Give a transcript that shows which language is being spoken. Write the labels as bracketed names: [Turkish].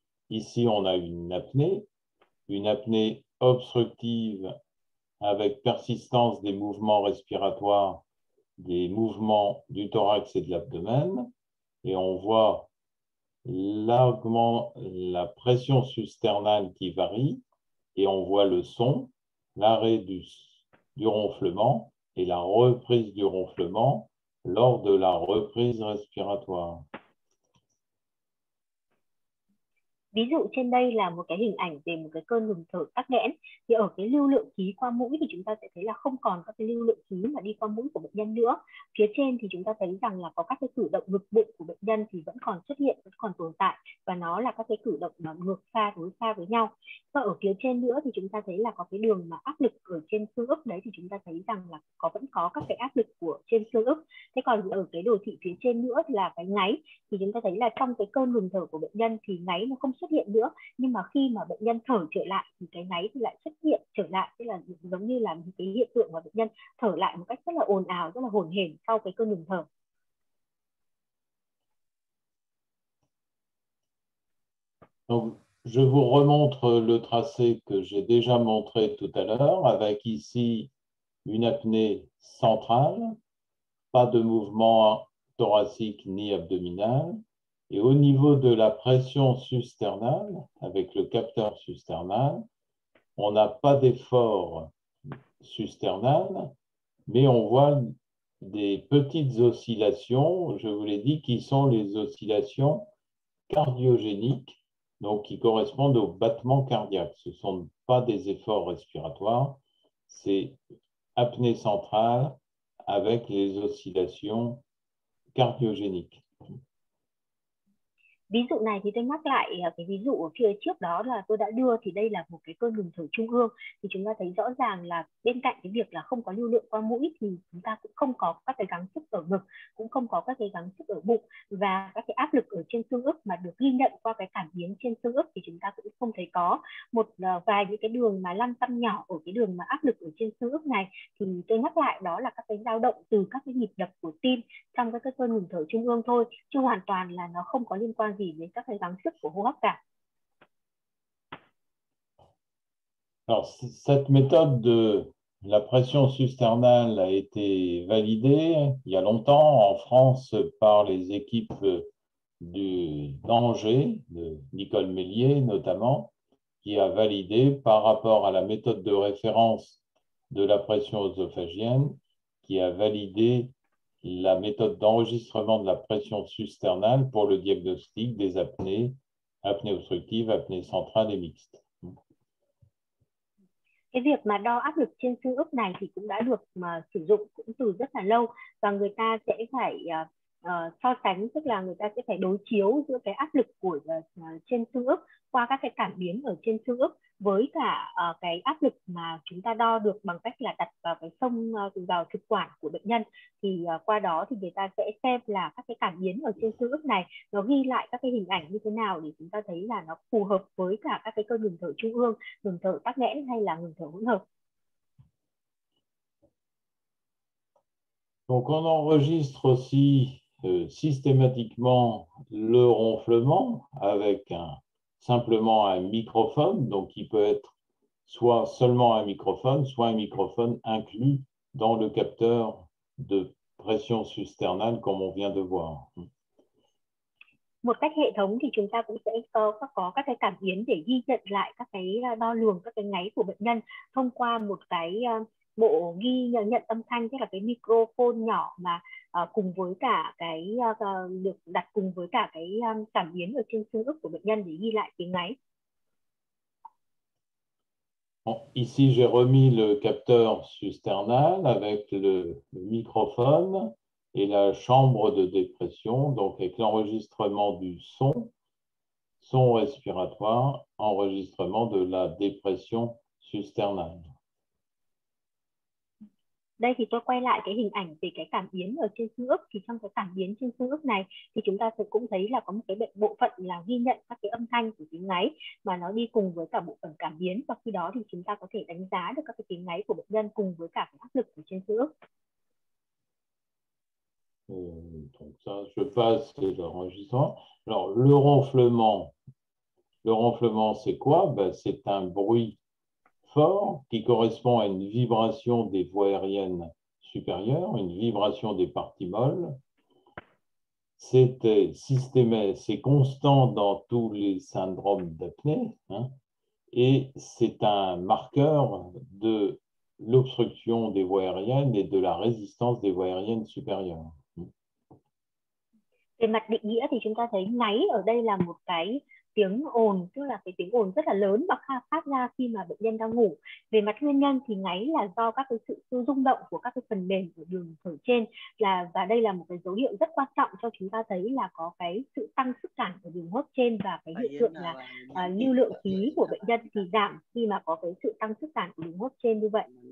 [French] Ici, on a une apnée obstructive avec persistance des mouvements respiratoires, des mouvements du thorax et de l'abdomen, et on voit l'augment, la pression susternale qui varie, et on voit le son, l'arrêt du ronflement et la reprise du ronflement lors de la reprise respiratoire. [Vietnamese] Ví dụ trên đây là một cái hình ảnh về một cái cơn ngừng thở tắc nghẽn. Thì ở cái lưu lượng khí qua mũi thì chúng ta sẽ thấy là không còn các cái lưu lượng khí mà đi qua mũi của bệnh nhân nữa. Phía trên thì chúng ta thấy rằng là có các cái cử động ngực bụng của bệnh nhân thì vẫn còn xuất hiện, vẫn còn tồn tại, và nó là các cái cử động mà ngược xa đối xa với nhau. Và ở phía trên nữa thì chúng ta thấy là có cái đường mà áp lực ở trên xương ức đấy, thì chúng ta thấy rằng là có vẫn có các cái áp lực của trên xương ức. Thế còn ở cái đồ thị phía trên nữa là cái ngáy, thì chúng ta thấy là trong cái cơn ngừng thở của bệnh nhân thì ngáy nó không xuất hiện nữa, nhưng mà khi mà bệnh nhân thở trở lại thì cái ngáy thì lại xuất hiện trở lại, tức là giống như là một cái hiện tượng mà bệnh nhân thở lại một cách rất là ồn ào, rất là hổn hển sau cái cơn ngừng thở. [French] Donc, je vous remontre le tracé que j'ai déjà montré tout à l'heure, avec ici une apnée centrale, pas de mouvement thoracique ni abdominal. Et au niveau de la pression susternale, avec le capteur susternal, on n'a pas d'effort susternal, mais on voit des petites oscillations, je vous l'ai dit, qui sont les oscillations cardiogéniques, donc qui correspondent aux battements cardiaques. Ce ne sont pas des efforts respiratoires, c'est apnée centrale avec les oscillations cardiogéniques. [Vietnamese] Ví dụ này thì tôi nhắc lại cái ví dụ ở phía trước đó là tôi đã đưa, thì đây là một cái cơn ngừng thở trung ương. Thì chúng ta thấy rõ ràng là bên cạnh cái việc là không có lưu lượng qua mũi thì chúng ta cũng không có các cái gắng sức ở ngực, cũng không có các cái gắng sức ở bụng, và các cái áp lực ở trên xương ức mà được ghi nhận qua cái cảm biến trên xương ức thì chúng ta cũng không thấy có. Một vài những cái đường mà lăn tăn nhỏ ở cái đường mà áp lực ở trên xương ức này thì tôi nhắc lại đó là các cái dao động từ các cái nhịp đập của tim trong các cái cơn ngừng thở trung ương thôi, chứ hoàn toàn là nó không có liên quan gì đến các cái gắng sức của hô hấp cả. [French] Alors, cette méthode de la pression susternale a été validée il y a longtemps en France par les équipes d'Angers, de Nicole Mélier notamment, qui a validé par rapport à la méthode de référence de la pression œsophagienne qui a validé la méthode d'enregistrement de la pression susternale pour le diagnostic des apnées, apnée obstructive, apnée centrale et mixte. [Vietnamese] Cái việc mà đo áp lực trên xương ức này thì cũng đã được mà sử dụng cũng từ rất là lâu, và người ta sẽ phải so sánh, tức là người ta sẽ phải đối chiếu giữa cái áp lực của trên xương ức qua các cái cảm biến ở trên xương ức với cả cái áp lực mà chúng ta đo được bằng cách là đặt vào cái xông vào thực quản của bệnh nhân. Thì qua đó thì người ta sẽ xem là các cái cảm biến ở trên xương ức này nó ghi lại các cái hình ảnh như thế nào để chúng ta thấy là nó phù hợp với cả các cái cơ ngừng thở trung ương, ngừng thở tắc nghẽn hay là ngừng thở hỗn hợp. [French] Donc on enregistre aussi systématiquement le ronflement avec simplement un microphone, donc qui peut être soit seulement un microphone, soit un microphone inclus dans le capteur de pression susternale comme on vient de voir. [Vietnamese] Một cách hệ thống thì chúng ta cũng sẽ có các cái cảm biến để ghi nhận lại các cái đo lường, các cái ngáy của bệnh nhân thông qua một cái bộ ghi nhận âm thanh, tức là cái microphone nhỏ mà cùng với cả cái được đặt cùng với cả cái cảm biến ở trên xương ức của bệnh nhân để ghi lại tiếng ngáy. [French] Bon, ici j'ai remis le capteur susternal avec le microphone et la chambre de dépression, donc avec l'enregistrement du son, son respiratoire, enregistrement de la dépression susternale. [Vietnamese] Đây thì tôi quay lại cái hình ảnh về cái cảm biến ở trên xương ức. Thì trong cái cảm biến trên xương ức này thì chúng ta cũng thấy là có một cái bộ phận là ghi nhận các cái âm thanh của tiếng ngáy mà nó đi cùng với cả bộ phận cảm biến, và khi đó thì chúng ta có thể đánh giá được các cái tiếng ngáy của bệnh nhân cùng với cả cái áp lực của trên xương ức. [French] Donc ça, je passe l'enregistrement. Alors le ronflement c'est quoi? Ben, c'est un bruit fort qui correspond à une vibration des voies aériennes supérieures, une vibration des parties molles. C'est constant dans tous les syndromes d'apnée, hein, et c'est un marqueur de l'obstruction des voies aériennes et de la résistance des voies aériennes supérieures. [Vietnamese] Về mặt định nghĩa thì chúng ta thấy ngáy ở đây là một cái tiếng ồn, tức là cái tiếng ồn rất là lớn và phát ra khi mà bệnh nhân đang ngủ. Về mặt nguyên nhân thì ngáy là do các cái sự rung động của các cái phần mềm của đường thở trên, và đây là một cái dấu hiệu rất quan trọng cho chúng ta thấy là có cái sự tăng sức cản của đường hô hấp trên, và cái hiện tượng là lưu lượng khí của bệnh nhân thì giảm khi mà có cái sự tăng sức cản của đường hô hấp trên như vậy.